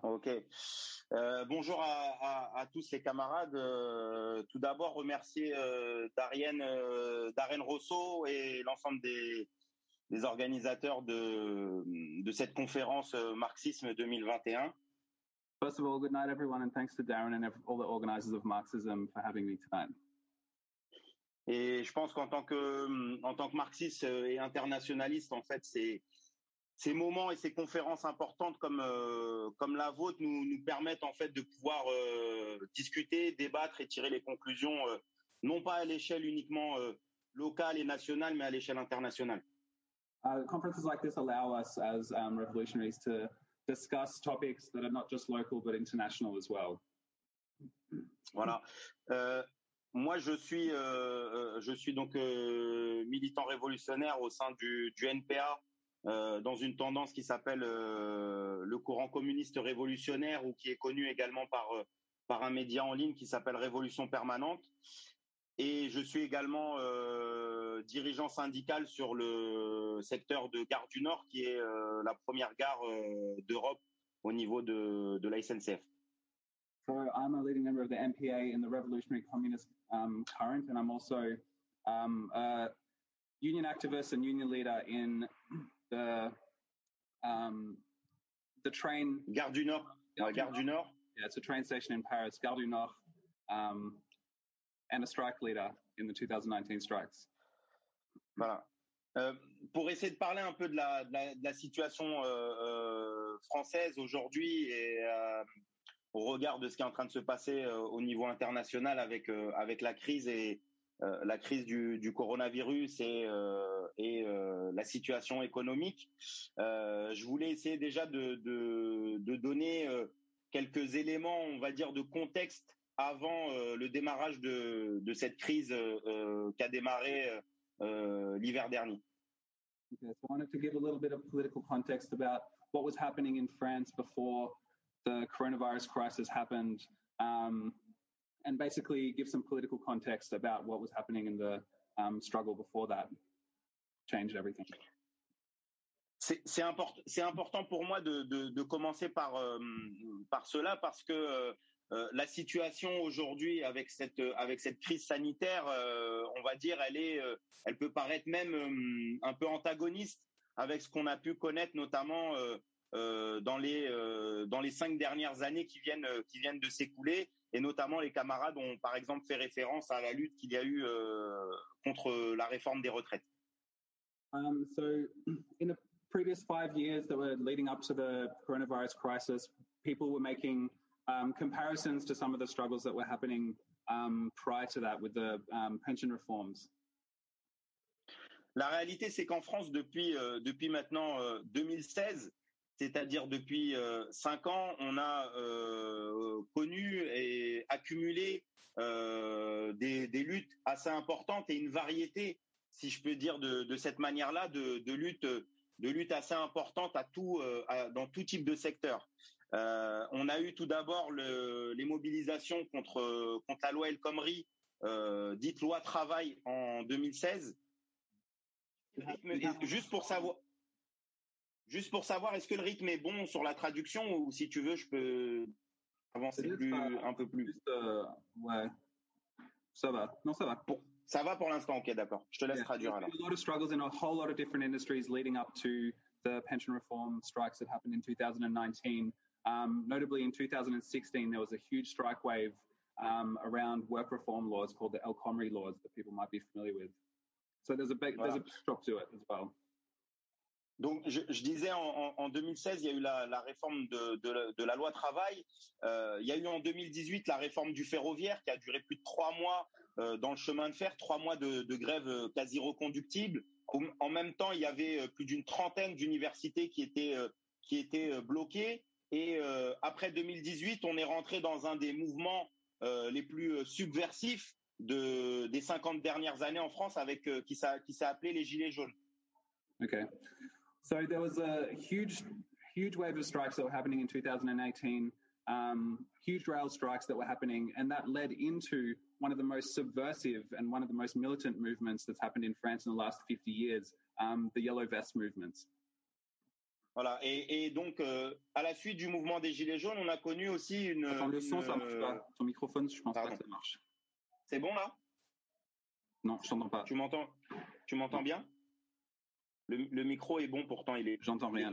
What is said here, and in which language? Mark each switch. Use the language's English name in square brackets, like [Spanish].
[English] OK. [French] Bonjour à tous les camarades. Tout d'abord, remercier Darren Rosso et l'ensemble des organisateurs de cette conférence Marxisme 2021. [English] First of all, good night, everyone, and thanks to Darren and all the organizers of Marxism for having me tonight. [French] Et je pense qu'en tant que marxiste et internationaliste, en fait, ces moments et ces conférences importantes comme la vôtre nous permettent en fait de pouvoir discuter, débattre et tirer les conclusions, non pas à l'échelle uniquement locale et nationale, mais à l'échelle internationale. [English] Conferences like this allow us as revolutionaries to discuss topics that are not just local but international as well. [French] Voilà. Moi, je suis donc militant révolutionnaire au sein du NPA, dans une tendance qui s'appelle le courant communiste révolutionnaire ou qui est connu également par un média en ligne qui s'appelle Révolution Permanente. Et je suis également dirigeant syndical sur le secteur de Gare du Nord, qui est la première gare d'Europe au niveau de la SNCF. [English] So I'm a leading member of the MPA in the Revolutionary Communist Current, and I'm also a union activist and union leader in the train... [French] Gare du Nord. Gare du Nord. [English] Yeah, it's a train station in Paris, Gare du Nord. And a strike leader in the 2019 strikes. [French] Voilà. Pour essayer de parler un peu de la situation française aujourd'hui et au regard de ce qui est en train de se passer au niveau international avec la crise et la crise du coronavirus et la situation économique, je voulais essayer déjà de donner quelques éléments, on va dire, de contexte avant le démarrage de cette crise qu'a démarré l'hiver dernier. [English] Okay, so I wanted to give a little bit of political context about what was happening in France before the coronavirus crisis happened, and basically give some political context about what was happening in the struggle before that changed everything. [French] C'est important pour moi de commencer par cela parce que la situation aujourd'hui avec cette crise sanitaire, on va dire, elle peut paraître même un peu antagoniste avec ce qu'on a pu connaître notamment dans les 5 dernières années qui viennent de s'écouler, et notamment les camarades ont par exemple fait référence à la lutte qu'il y a eu contre la réforme des retraites. [English] So in the previous 5 years that were leading up to the coronavirus crisis, people were making comparisons to some of the struggles that were happening prior to that with the pension reforms. [French] La réalité, c'est qu'en France, depuis maintenant 2016, c'est-à-dire depuis 5 ans, on a connu et accumulé des luttes assez importantes et une variété, si je peux dire, de cette manière-là, de lutte assez importante dans tout type de secteur. On a eu tout d'abord les mobilisations contre la loi El Khomri, dite loi travail, en 2016. Juste pour savoir, est-ce que le rythme est bon sur la traduction ou si tu veux, je peux avancer un peu plus. Ça va. Ça va pour l'instant, ok, d'accord. Je te laisse traduire alors. [English] There's been a lot of struggles in a whole lot of different industries leading up to the pension reform strikes that happened in 2019. Notably in 2016, there was a huge strike wave around work reform laws called the El Khomri laws that people might be familiar with. So there's a backdrop to it as well. [French] Donc, je disais, en 2016, il y a eu la réforme de la loi travail. Il y a eu en 2018 la réforme du ferroviaire qui a duré plus de 3 mois dans le chemin de fer, 3 mois de grève quasi reconductible. En même temps, il y avait plus d'une trentaine d'universités qui étaient bloquées. Et après 2018, on est rentré dans un des mouvements les plus subversifs des 50 dernières années en France avec qui s'est appelé les Gilets jaunes. [English] OK. So there was a huge, huge wave of strikes that were happening in 2018, huge rail strikes that were happening, and that led into one of the most subversive and one of the most militant movements that's happened in France in the last 50 years, the Yellow Vest movements. [French] Voilà, et donc, à la suite du mouvement des Gilets jaunes, on a connu aussi une... Attends, le son, ça ne marche pas. Ton microphone, je pense pas que ça marche. C'est bon, là? Non, je t'entends pas. Tu m'entends bien? Le micro est bon, pourtant il est j'entends rien